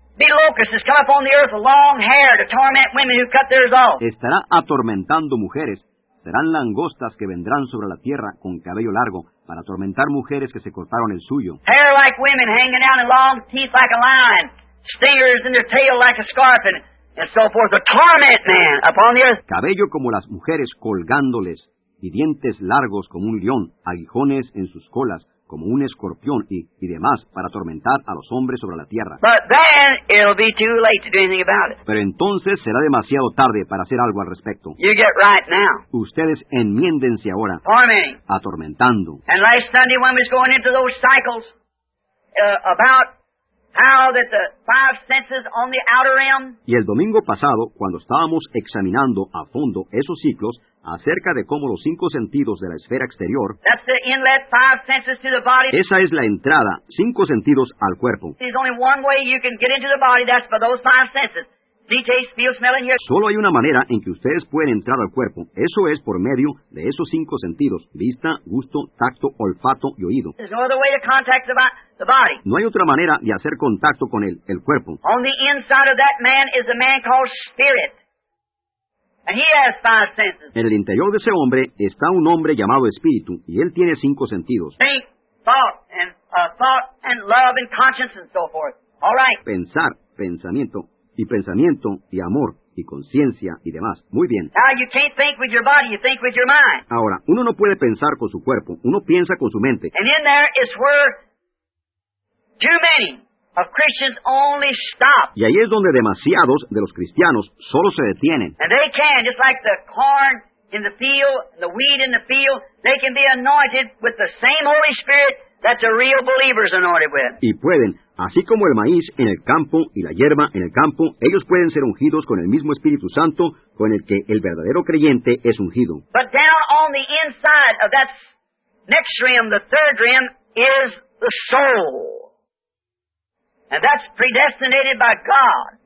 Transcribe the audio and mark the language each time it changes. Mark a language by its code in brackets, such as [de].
[en] Be locusts come up on the earth with long hair to torment women who cut theirs off. [es] Estará atormentando mujeres. Serán langostas que vendrán sobre la tierra con cabello largo para atormentar mujeres que se cortaron el suyo. [en] Hair like women hanging out and long teeth like a lion. Stingers in their tail like a scarf and so forth. A torment man upon the earth. [es] Cabello como las mujeres colgándoles y dientes largos como un león, aguijones en sus colas como un escorpión y demás para atormentar a los hombres sobre la tierra. [en] But then it'll be too late to do anything about it. [es] Pero entonces será demasiado tarde para hacer algo al respecto. [en] You get right now. [es] Ustedes enmiéndense ahora. [en] Tormenting. [es] Atormentando. [en] And last Sunday when we was going into those cycles about how that the five senses on the outer rim. [es] Y el domingo pasado, cuando estábamos examinando a fondo esos ciclos, acerca de cómo los cinco sentidos de la esfera exterior, [en] that's the inlet, five senses to the body. [es] Esa es la entrada, cinco sentidos al cuerpo. [en] There's only one way you can get into the body, that's for those five senses. See, taste, feel, smell, and hear. [es] Solo hay una manera en que ustedes pueden entrar al cuerpo. Eso es por medio de esos cinco sentidos, vista, gusto, tacto, olfato y oído. [en] There's no other way to contact the body. The body. [es] No hay otra manera de hacer contacto con el cuerpo. [en] On the inside of that man is a man called spirit. And he has five senses. [es] En el interior de ese hombre está un hombre llamado espíritu, y él tiene cinco sentidos. [en] Think, thought, and love, and conscience, and so forth. All right. [es] Pensar, pensamiento, y amor, y conciencia, y demás. Muy bien. [en] Now you can't think with your body, you think with your mind. [es] Ahora, uno no puede pensar con su cuerpo, uno piensa con su mente. [en] And in there is where too many of Christians only stop. [es] Y ahí es donde demasiados de los cristianos solo se detienen. [en] And they can, just like the corn in the field, the wheat in the field, they can be anointed with the same Holy Spirit that the real believers anointed with. [es] Y pueden, así como el maíz en el campo y la hierba en el campo, ellos pueden ser ungidos con el mismo Espíritu Santo con el que el verdadero creyente es ungido. [en] But down on the inside of that next rim, the third rim, is the soul. And that's predestinated by God.